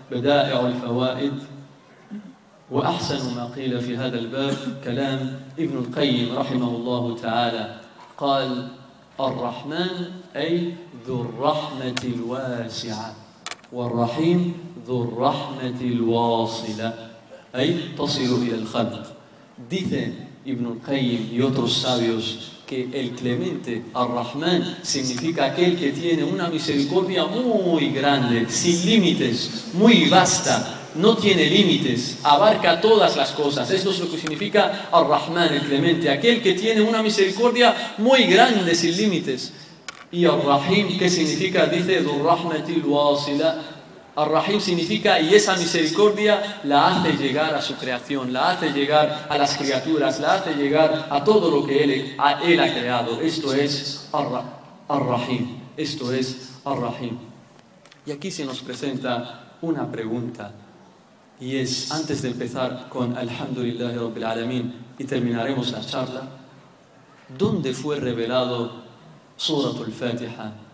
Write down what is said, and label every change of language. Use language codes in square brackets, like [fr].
[ar] بدائع الفوائد وأحسن ما قيل في هذا الباب كلام ابن القيم رحمه الله تعالى قال الرحمن أي ذو الرحمة الواسعة والرحيم ذو الرحمة الواصلة أي تصل إلى الخلق. [es] Dicen ابن القيم y otros sabios que el clemente الرحمن significa aquel que tiene una misericordia muy grande, sin límites, muy vasta, no tiene límites, abarca todas las cosas. Esto es lo que significa الرحمن, el clemente, aquel que tiene una misericordia muy grande, sin límites. Y الرحيم, ¿qué significa? Dice [ar] ذو الرحمة الواصلة. [es] Ar-Rahim significa, y esa misericordia la hace llegar a su creación, la hace llegar a las criaturas, la hace llegar a todo lo que él ha creado. Esto es Ar-Rahim. Esto es Ar-Rahim. Y aquí se nos presenta una pregunta. Y es, antes de empezar con Alhamdulillahi Rabbil Alamin y terminaremos la charla, ¿dónde fue revelado Suratul Fatiha?